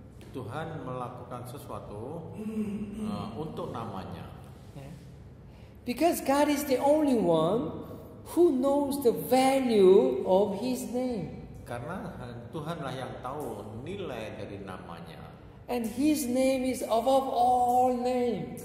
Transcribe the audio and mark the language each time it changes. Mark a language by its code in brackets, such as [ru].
[id] Tuhan melakukan sesuatu untuk namanya. [en] Because God is the only one who knows the value of his name. [id] Karena Tuhanlah yang tahu nilai dari namanya. [en] And his name is above all names.